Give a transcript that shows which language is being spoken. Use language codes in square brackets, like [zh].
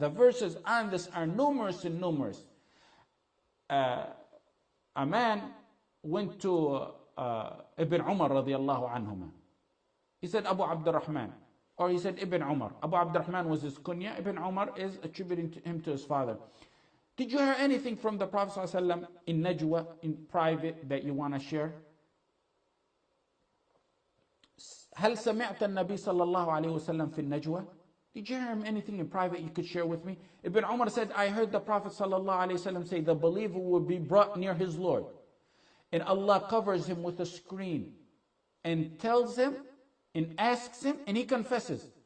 [en] The verses on this are numerous and numerous. A man went to Ibn Umar رضي الله عنهما. He said, Abu Abdurrahman. Or he said, Ibn Umar. Abu Abdurrahman was his kunya. Ibn Umar is attributing to him to his father. Did you hear anything from the Prophet ﷺ in Najwa, in private, that you want to share? [ar] هل سمعت النبي صلى الله عليه وسلم في النجوة? [en] Did you hear him anything in private you could share with me? Ibn Umar said, I heard the Prophet ﷺ say, the believer will be brought near his Lord. And Allah covers him with a screen and tells him, and asks him, and he confesses.